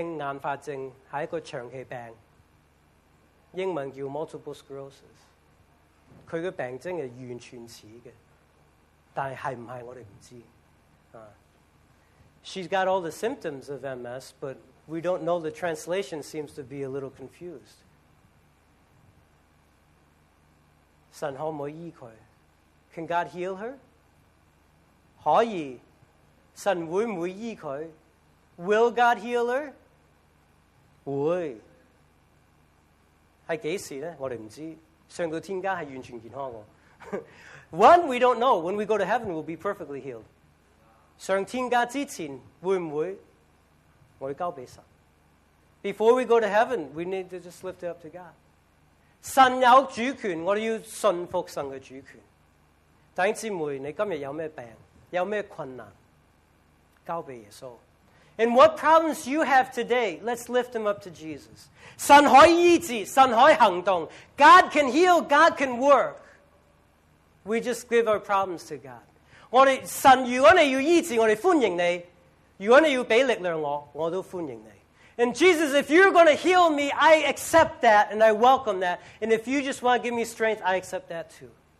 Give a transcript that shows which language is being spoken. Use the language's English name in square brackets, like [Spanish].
[Chinese] 我们完全没听过这个病,不知道是什么。像另一个病就叫多发性硬化症。但我们要问医生,多发性硬化症是一个长期病, 英文叫 multiple sclerosis. 他的病症是完全像的, 但是不是我们不知道。 [English] She's got all the symptoms of MS, but we don't know, the translation seems to be a little confused. [Chinese] 神可不可以医她? [English] Can God heal her? [Chinese] 可以. 神会不会医她? [English] Will God heal her? [Chinese] 会. 是什么时候呢? 我们不知道. 上到天家是完全健康的. [English] One, we don't know. When we go to heaven, we'll be perfectly healed. [Chinese] 上天家之前会不会? 我们交给神. [English] Before we go to heaven, we need to just lift it up to God. [Chinese] 神有主权, 我们要信服神的主权. 弟兄姊妹, 你今天有什么病? 有什么困难? 交给耶稣. [English] And what problems you have today, let's lift them up to Jesus. [Chinese] 神可以医治, 神可以行动. [English] God can heal, God can work. We just give our problems to God. [Chinese] 我们, 神, 如果你要医治, 我们欢迎你.如果你要给力量我, 我都欢迎你. [English] And Jesus, if you're going to heal me, I accept that and I welcome that. And if you just want to give me strength, I accept that too.